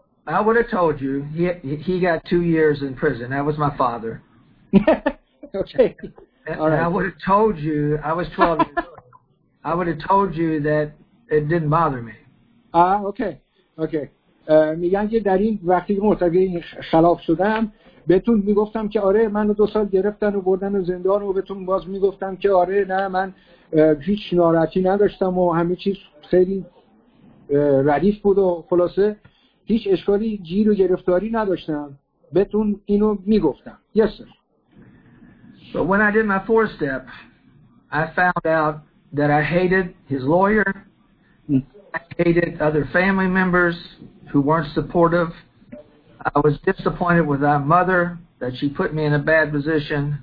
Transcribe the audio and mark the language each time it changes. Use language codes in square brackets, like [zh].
[en] I would have told you he got 2 years in prison. That was my father. Okay. All right. I would have told you I was 12 years old. I would have told you that it didn't bother me. Ah, okay. Okay. [fa] میگن که در این وقتی که مرتکب این خلاف شدم بهتون میگفتم که آره منو دو سال گرفتن و بردن و زندان و بهتون باز میگفتم که آره نه من هیچ ناراحتی نداشتم و همه چیز خیلی ردیف بود و خلاصه هیچ اشکالی گیر و گرفتاری نداشتم بهتون اینو میگفتم. [en] Yes sir. But when I did my fourth step, I found out that I hated his lawyer. I hated other family members who weren't supportive. I was disappointed with my mother that she put me in a bad position.